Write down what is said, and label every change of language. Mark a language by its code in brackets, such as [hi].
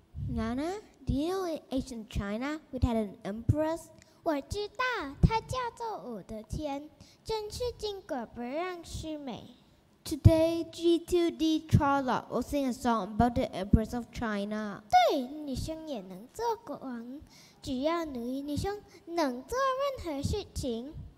[en] Nana, do you know in ancient China we had an empress? [zh] 我知道，她叫做武则天，真是巾帼不让须眉。 [en] Today, G2D Charla will sing a song about the empress of China. [zh] 对，女生也能做国王，只要努力，女生能做任何事情。